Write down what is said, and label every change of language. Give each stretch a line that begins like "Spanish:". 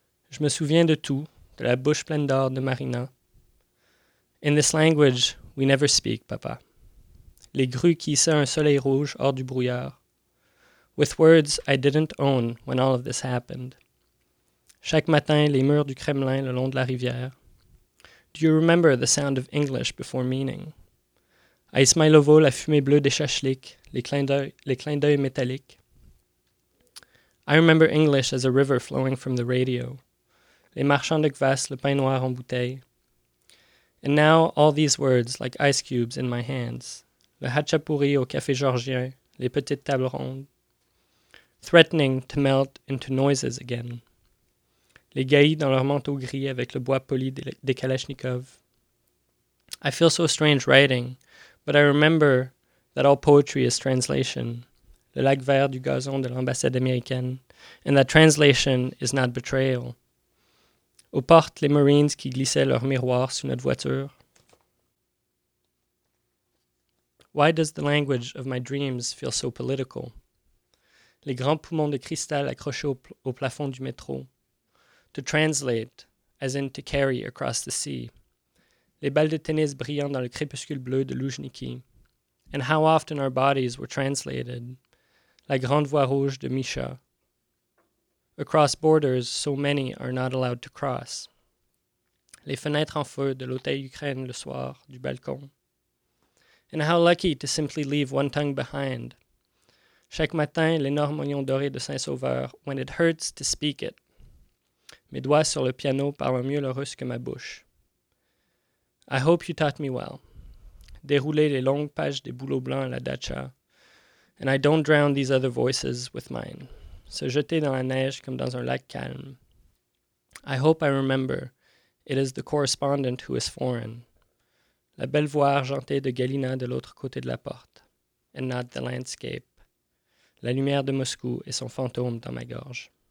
French: Je me souviens de tout, de la bouche pleine d'or de Marina.
English: In this language, we never speak, papa.
French: Les grues qui hissaient un soleil rouge hors du brouillard.
English: With words I didn't own when all of this happened.
French: Chaque matin, les murs du Kremlin le long de la rivière.
English: Do you remember the sound of English before meaning?
French: À Ismailovo, la fumée bleue des chachliques, les clins d'œil métalliques.
English: I remember English as a river flowing from the radio.
French: Les marchands de kvass, le pain noir en bouteille.
English: And now all these words, like ice cubes in my hands.
French: Le hachapuri au café georgien, les petites tables rondes.
English: Threatening to melt into noises again.
French: Les gaillis dans leur manteau gris avec le bois poli des Kalachnikovs.
English: I feel so strange writing, but I remember that all poetry is translation.
French: Le lac vert du gazon de l'ambassade américaine.
English: And that translation is not betrayal.
French: Aux portes, les marines qui glissaient leur miroir sous notre voiture.
English: Why does the language of my dreams feel so political?
French: Les grands poumons de cristal accrochés au plafond du métro.
English: To translate, as in to carry across the sea.
French: Les balles de tennis brillant dans le crépuscule bleu de Loujniki.
English: And how often our bodies were translated.
French: La grande voie rouge de Misha.
English: Across borders, so many are not allowed to cross.
French: Les fenêtres en feu de l'hôtel Ukraine le soir, du balcon.
English: And how lucky to simply leave one tongue behind.
French: Chaque matin, l'énorme oignon doré de Saint-Sauveur,
English: when it hurts to speak it.
French: Mes doigts sur le piano parlent mieux le russe que ma bouche.
English: I hope you taught me well.
French: Dérouler les longues pages des bouleaux blancs à la dacha.
English: And I don't drown these other voices with mine.
French: Se jeter dans la neige comme dans un lac calme.
English: I hope I remember. It is the correspondent who is foreign.
French: La belle voix argentée de Galina de l'autre côté de la porte.
English: And not the landscape.
French: La lumière de Moscou et son fantôme dans ma gorge.